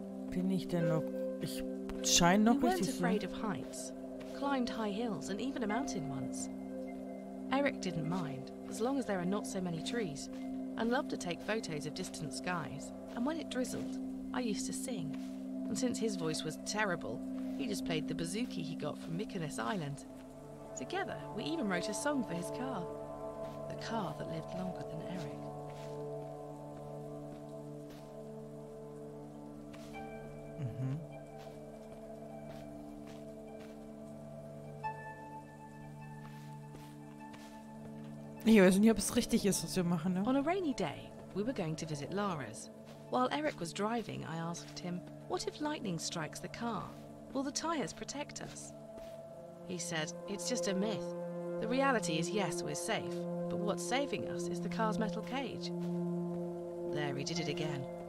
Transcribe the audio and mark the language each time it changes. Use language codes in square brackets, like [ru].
[de] Bin ich denn noch... Ich scheine noch richtig zu... [en] We weren't afraid of heights. Climbed high hills and even a mountain once. Eric didn't mind, as long as there are not so many trees, and loved to take photos of distant skies. And when it drizzled, I used to sing. And since his voice was terrible, he just played the bouzouki he got from Mykonos Island. Together, we even wrote a song for his car. The car that lived longer than Eric. [de] Ich weiß nicht, ob es richtig ist, was wir machen, ne? [en] On a rainy day, we were going to visit Lara's. While Eric was driving, I asked him, what if lightning strikes the car? Will the tires protect us? He said, it's just a myth. The reality is, yes, we're safe, but what's saving us is the car's metal cage. There, he did it again.